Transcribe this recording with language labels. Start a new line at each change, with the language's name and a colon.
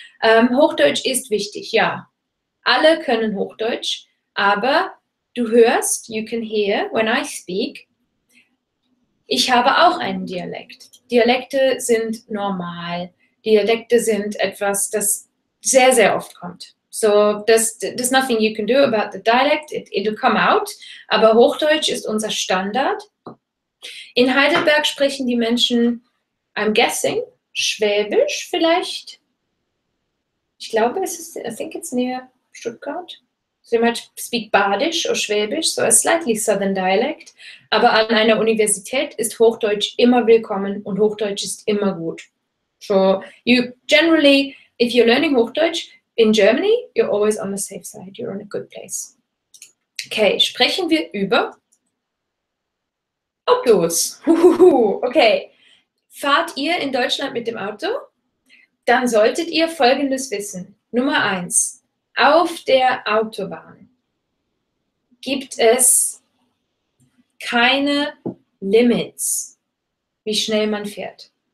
German: Hochdeutsch ist wichtig, ja. Alle können Hochdeutsch, aber du hörst,
English: you can hear when I speak,
German: ich habe auch einen Dialekt. Dialekte sind normal. Dialekte sind etwas, das sehr, sehr oft kommt.
English: So, there's nothing you can do about the dialect, it'll come out.
German: Aber Hochdeutsch ist unser Standard. In Heidelberg sprechen die Menschen,
English: I'm guessing,
German: Schwäbisch vielleicht. Ich glaube, es ist,
English: I think it's near Stuttgart. So, they might speak Badisch oder Schwäbisch, so a slightly southern dialect.
German: Aber an einer Universität ist Hochdeutsch immer willkommen und Hochdeutsch ist immer gut.
English: So, you generally, if you're learning Hochdeutsch, in Germany, you're always on the safe side, you're in a good place.
German: Okay, sprechen wir über Autos. Okay, fahrt ihr in Deutschland mit dem Auto? Dann solltet ihr Folgendes wissen. Nummer 1, auf der Autobahn gibt es keine Limits, wie schnell man fährt.